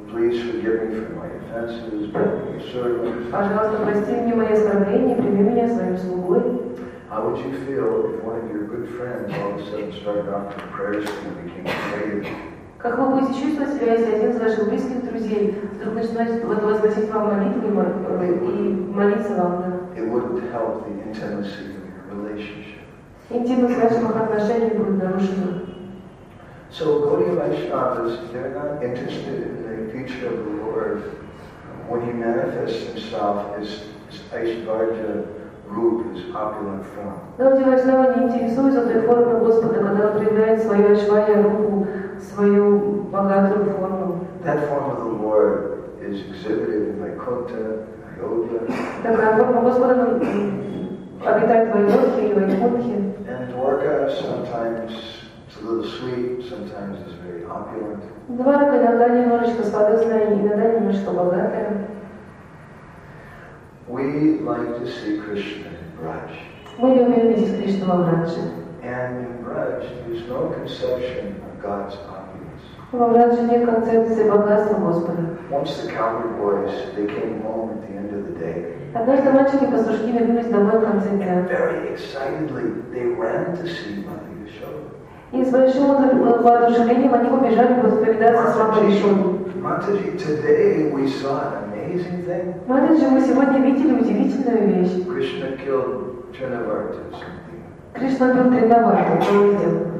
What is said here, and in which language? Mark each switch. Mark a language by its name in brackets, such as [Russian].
[English] Please forgive me for my offenses, but I serve you. [Russian] Пожалуйста, прости мне мои оскорбления, прими меня своим слугой. [English] How would you feel if one of your good friends all of a sudden started offering prayers to you and became afraid? [Russian] Как вы будете чувствовать себя, если один из ваших близких друзей вдруг начинает вот возносить вам молитвы и молиться вам? [English] It wouldn't help the intimacy of your relationship. [Russian] Интимность наших отношений будет нарушена. [English] So Gaudiya Vaishnavas, they're not interested in the future of the Lord when he manifests himself as Aishvarya Rupa, his opulent form. [Russian] Gaudiya Vaishnava не интересуется той формой Господа, когда он проявляет свою Aishvarya Rupa, свою богатую форму. [English] That form of the Lord is exhibited in Vaikuntha, Ayodhya. [Russian] Такая форма Господа обитает в Айодхе или Вайкунтхе. [English] And Dwarka sometimes it's a little sweet, sometimes it's very opulent. [Russian] Дварка иногда немножечко сладостная, иногда немножечко богатая. [English] We like to see Krishna in Braj. [Russian] Мы любим видеть Кришну во Врадже. [English] And in Braj there's no conception of God's opulence. [Russian] Во Врадже нет концепции богатства Господа. [English] Once the cowherd boys, they came home at the end of the day. [Russian] Однажды мальчики-пастушки вернулись домой в конце дня. [English] And very excitedly they ran to see Mother Yashoda. [Russian] И с большим воодушевлением они побежали повидаться с мамой Яшодой. [English] Матаджи, today we saw an amazing thing. [Russian] Матаджи, мы сегодня видели удивительную вещь. [English] Krishna killed Trinavarta or something. [Russian] Кришна убил Тринаварту, что он сделал?